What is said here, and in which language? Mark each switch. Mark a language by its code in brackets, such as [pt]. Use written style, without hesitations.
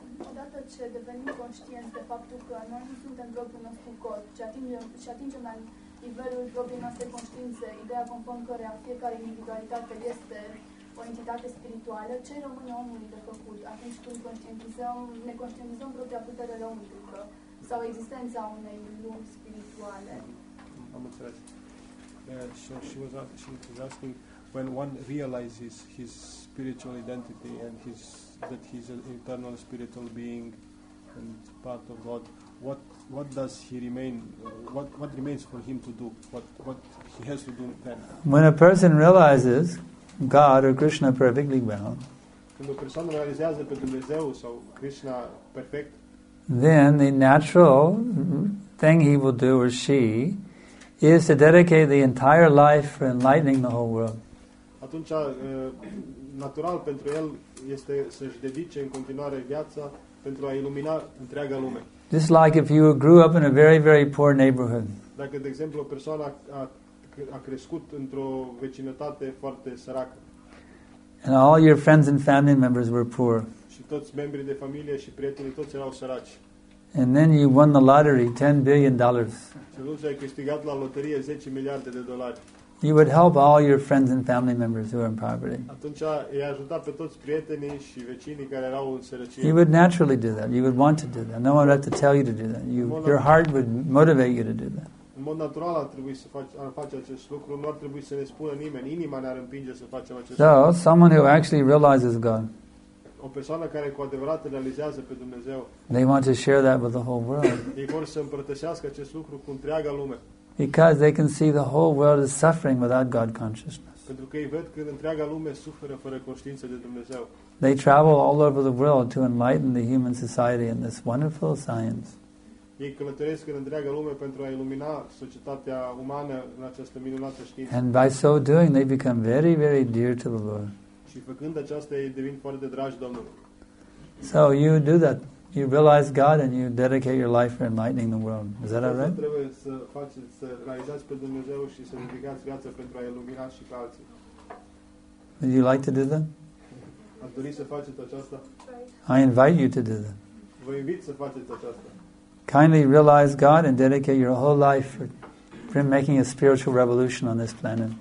[ro] Odată ce devenim conștienți de faptul că noi nu suntem robii nostru corp, și atingem la nivelul robii noastre conștiințe, ideea conform căreia fiecare individualitate este o entitate spirituală, ce rămâne omului de făcut atunci când ne conștientizăm propria putere lăuntrică sau existența unei lumi spirituale? Am înțeles. [en] She was asking, when one realizes his spiritual identity and his that he's an eternal spiritual being and part of God, what does he remain? What remains for him to do? What he has to do then? When a person realizes God or Krishna perfectly well, [ro] când o persoană realizează pe Dumnezeu sau Krishna perfect, [en] then the natural thing he will do or she is to dedicate the entire life for enlightening the whole world. [ro] Atunci, natural pentru el este să-și dedice în continuare viața pentru a ilumina întreaga lume. [en] This is like if you grew up in a very, very poor neighborhood. [ro] Dacă, de exemplu, o persoană a crescut într-o vecinătate foarte săracă. [en] And all your friends and family members were poor. [ro] Și toți membrii de familie și prietenii toți erau săraci. [en] And then you won the lottery, $10 billion. [ro] Și atunci ai câștigat la loterie 10 miliarde de dolari. [en] You would help all your friends and family members who are in poverty. [ro] Atunci ai ajutat pe toți prietenii și vecinii care erau în sărăcie. [en] You would naturally do that. You would want to do that. No one would have to tell you to do that. Your heart would motivate you to do that. [ro] În mod natural ar trebui să faci acest lucru. Nu ar trebui să ne spună nimeni. Inima ne-ar împinge să facem acest lucru. [en] So, someone who actually realizes God. [ro] O persoană care cu adevărat realizează pe Dumnezeu. [en] They want to share that with the whole world. [ro] Ei vor să împărtășească acest lucru cu întreaga lume. [en] Because they can see the whole world is suffering without God consciousness. [ro] Pentru că ei văd că întreaga lume suferă fără conștiință de Dumnezeu. [en] They travel all over the world to enlighten the human society in this wonderful science. [ro] Ei călătoresc în întreaga lume pentru a ilumina societatea umană în această minunată știință. [en] And by so doing they become very, very dear to the Lord. [ro] Și făcând aceasta ei devin foarte dragi Domnului. [en] So you do that. You realize God and you dedicate your life for enlightening the world. Is that all right? [ro] Trebuie să faci să realizați pe Dumnezeu și să dedicați viața pentru a ilumina și pe alții. [en] Would you like to do that? [ro] Ați dori să faceți aceasta? [en] I invite you to do that. [ro] Vă invit să faceți aceasta. [en] Kindly realize God and dedicate your whole life for making a spiritual revolution on this planet.